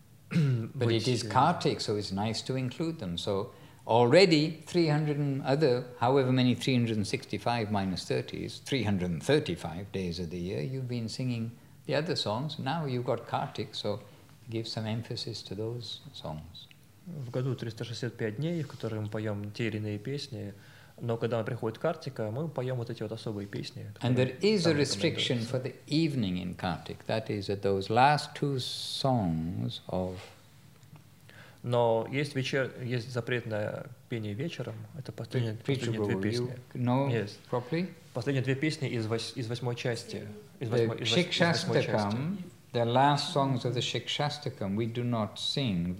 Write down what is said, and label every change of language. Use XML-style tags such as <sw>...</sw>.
<en>But it is Kartik, so it's nice to include them. So already 300 and other, however many 365 minus 30 is 335 days of the year, you've been singing the other songs. Now you've got Kartik, so give some emphasis to those songs.</en> <ru>В году 365 дней, в которые мы поем те или иные песни. Но когда приходит Картика, мы поем вот эти вот особые песни.</ru> <en>And there is a restriction for the evening in Kartik. That is that those last two songs of.</en> <ru>Но есть есть запрет на пение вечером. Это последние две песни.</ru> <en>No, yes. Properly.</en> <ru>Последние две песни из восьмой части.</ru> <en>Shikshastakam, the last songs of the Shikshastakam, we do not sing.</en>